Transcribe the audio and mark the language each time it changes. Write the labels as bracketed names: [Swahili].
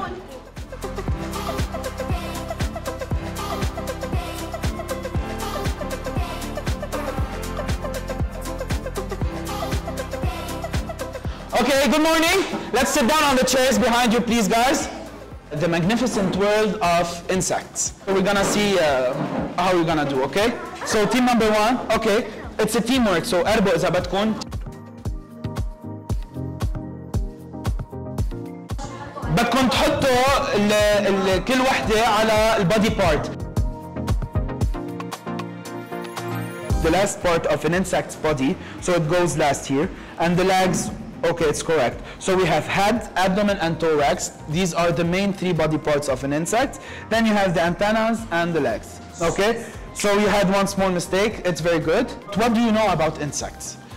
[English] Okay, good morning. Let's sit down on the chairs behind you, please, guys. The magnificent world of insects. We're gonna see how we're gonna do, okay? So team number one, okay. It's a teamwork, so Erbo is about to come. [Arabic] بدكم تحطوا كل وحده على البادي بارت. [English] The last part of an insect's body, so it goes last here. And the legs, okay, it's correct. So we have head, abdomen, and thorax. These are the main three body parts of an insect. Then you have the antennas and the legs. Okay? So you had one small mistake. It's very good. What do you know about insects?